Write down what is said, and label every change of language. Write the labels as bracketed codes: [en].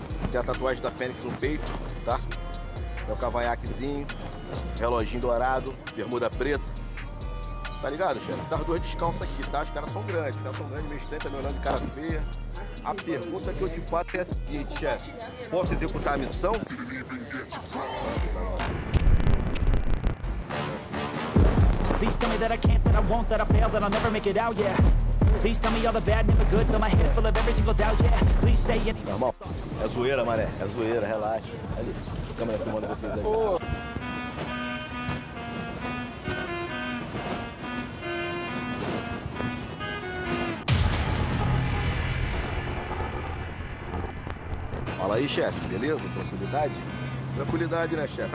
[pt] Tem a tatuagem da Fênix no peito, tá? É o cavanhaquezinho, reloginho dourado, bermuda preta. Tá ligado, chefe? Tá os dois descalços aqui, tá? Os caras são grandes, meio estranho, tá me olhando de cara feia. A pergunta que eu te faço é a seguinte, chefe. Posso executar a missão? [en] Please tell me that I can't, that I won't, that I fail, that I'll never make it out, yeah. Please tell me all the bad, never good, fill my head full of every single doubt, yeah. Please say it. [pt] Normal. É zoeira, mané. É zoeira, relaxa. Ali. A câmera filmando vocês aí. Fala aí, chefe, beleza? Tranquilidade? Tranquilidade, né, chefe?